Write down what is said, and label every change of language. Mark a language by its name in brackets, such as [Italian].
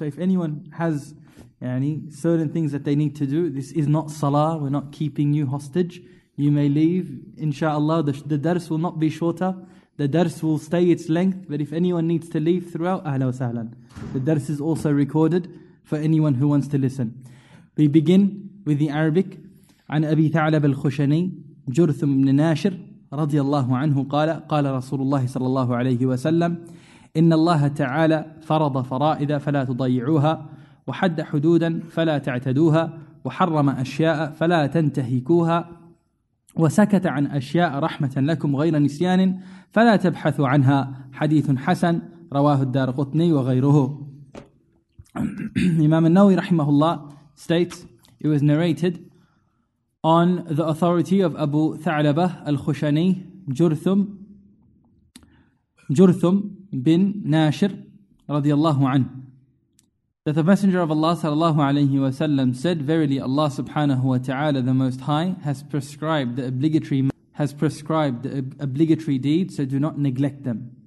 [English] So if anyone has certain things that they need to do, this is not salah, we're not keeping you hostage. You may leave, inshallah, the dars will not be shorter. The dars will stay its length, but if anyone needs to leave throughout, ahla wa sahlan. The dars is also recorded for anyone who wants to listen. We begin with the Arabic. [Arabic] عن أبي ثعلب الخشني جرثم بن ناشر رضي الله عنه قال قال رسول الله صلى الله عليه وسلم إن الله تعالى فرض فرائض فلا تضيعوها وحد حدودا فلا تعتدوها وحرم أشياء فلا تنتهكوها وسكت عن أشياء رحمة لكم غير نسيان فلا تبحثوا عنها. حديث حسن رواه الدارقطني وغيره. إمام النووي رحمه الله [English] states, it was narrated on the authority of Abu Tha'labah al-Khushani, Jurthum bin Nashir, radiyallahu anhu, that the Messenger of Allah sallallahu alayhi wa sallam said, verily Allah subhanahu wa ta'ala, the Most High, has prescribed the obligatory deed, so do not neglect them.